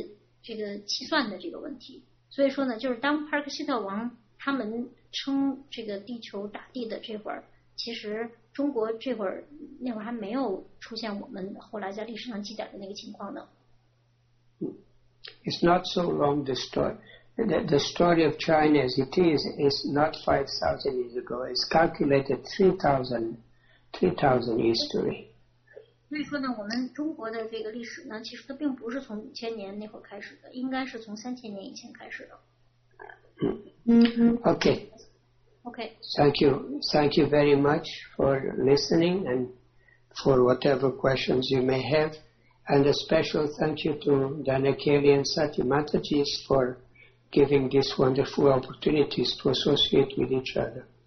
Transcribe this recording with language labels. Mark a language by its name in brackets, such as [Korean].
[Chinese] 这个国王，但是呢，并没有好像没有听说他是附属于帕克希特王的。那么阿叔说呢，其实这个应该是我们的年代的记载的这个计算的这个问题。所以说呢，就是当 Parikshita 王他们称这个地球大帝的这会儿，其实中国这会儿那会儿还没有出现我们后来在历史上记载的那个情况呢。 [English] It's not so long the story. The story of China as it is not 5,000 years ago. It's calculated 3,000 history. [Chinese] 所以说呢，我们中国的这个历史呢，其实它并不是从5,000年那会儿开始的，应该是从3,000年以前开始的。Okay. [English] Okay. Thank you very much for listening and for whatever questions you may have. And a special thank you to Dhanakeli and Sati Matajis for giving these wonderful opportunities to associate with each other.